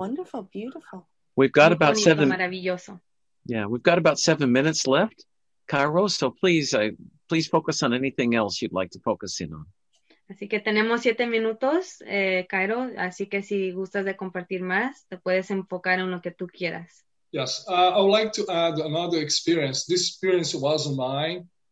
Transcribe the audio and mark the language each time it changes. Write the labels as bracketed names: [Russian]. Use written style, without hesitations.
[English] That's wonderful, beautiful. We've got about seven. [Spanish] Maravilloso. [English] Yeah, we've got about 7 minutes left, Cairo, so please, please focus on anything else you'd like to focus in on. [Spanish] Así que tenemos 7 minutos, Cairo, así que si gustas de compartir más, te puedes enfocar en lo que tú quieras. [English] Yes, I would like to add another experience. This experience was mine.